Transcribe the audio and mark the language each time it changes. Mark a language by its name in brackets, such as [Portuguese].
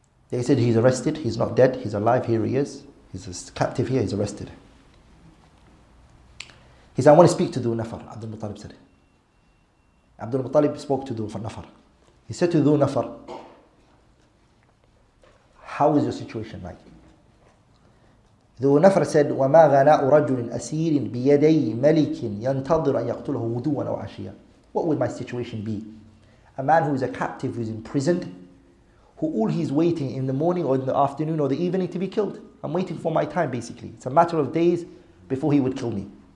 [English] They said, he's arrested, he's not dead, he's alive, here he is. He's a captive here, he's arrested. He said, I want to speak to Dhu Nafar, Abdul Muttalib said. Abdul Muttalib spoke to Dhu Nafar. He said to Dhu Nafar, how is your situation like? Dhu Nafar said, [Arabic] وَمَا غَنَاءُ رَجُلٍ أَسِيرٍ بِيَدَيْ مَلِكٍ يَنْتَظِرَ أَنْ يَقْتُلَهُ غُدُوًا أَوْ عَشِيًا. [English] What would my situation be? A man who is a captive, who is imprisoned, who all he's waiting in the morning or in the afternoon or the evening to be killed. I'm waiting for my time basically. It's a matter of days before he would kill me.